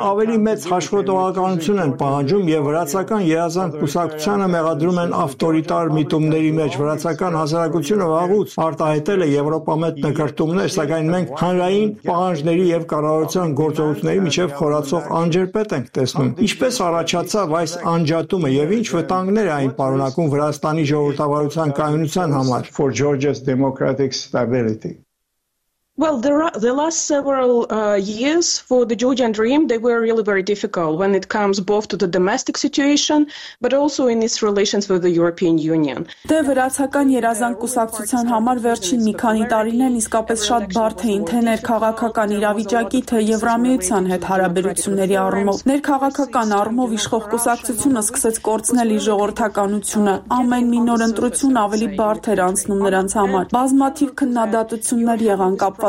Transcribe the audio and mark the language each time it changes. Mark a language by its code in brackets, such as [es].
[hy] ավելի մեծ հաշվետվողականություն են պահանջում եւ վրացական երազանքակուսակցությունը մեղադրում են ավտորիտար միտումների մեջ։ Վրացական հասարակությունը վաղուց արտահայտել է եվրոպամետ նկարտումներ, սակայն մենք հանրային պահանջների եւ կառավարության գործողությունների միջև խորացող անջերպետ ենք տեսնում։ Ինչպես առաջացավ այս անջատումը եւ ինչ վտանգներ է այն պարունակում Վրաստանի ժողովրդավարության կայունության համար։ [en] For Georgia's democratic stability. Well, the last several years for the Georgian dream, they were really very difficult when it comes both to the domestic situation, but also in its relations with the European Union. [hy] Դե վրացական երազանքակուսակցության համար վերջին մի քանի տարիներին իսկապես շատ բարդ էին թե ներքաղաքական իրավիճակի, թե Եվրամիության հետ հարաբերությունների առումով։ Ներքաղաքական առումով իշխող կուսակցությունը սկսեց կորցնել իր ժողովրդականությունը, ամեն մի նոր ընտրություն ավելի բարդ էր անցնում նրանց համար, բազմաթիվ քննադատություններ եղան կապված